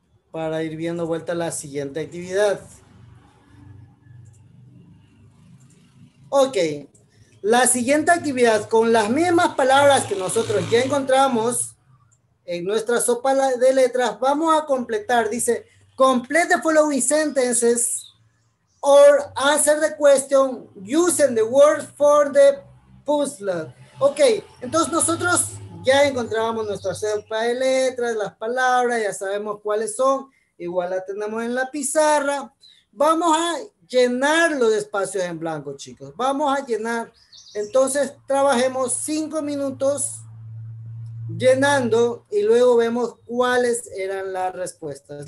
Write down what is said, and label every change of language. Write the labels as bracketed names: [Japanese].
[Spanish] Para ir viendo vuelta la siguiente actividad. Ok. La siguiente actividad, con las mismas palabras que nosotros ya encontramos en nuestra sopa de letras, vamos a completar. Dice, [English] complete the following sentences or answer the question using the words for the puzzle. [Spanish] Ok, entonces nosotros ya encontramos nuestra sopa de letras, las palabras, ya sabemos cuáles son. Igual la tenemos en la pizarra. Vamos a llenar los espacios en blanco, chicos. Vamos a llenar. Entonces, trabajemos 5 minutos llenando y luego vemos cuáles eran las respuestas.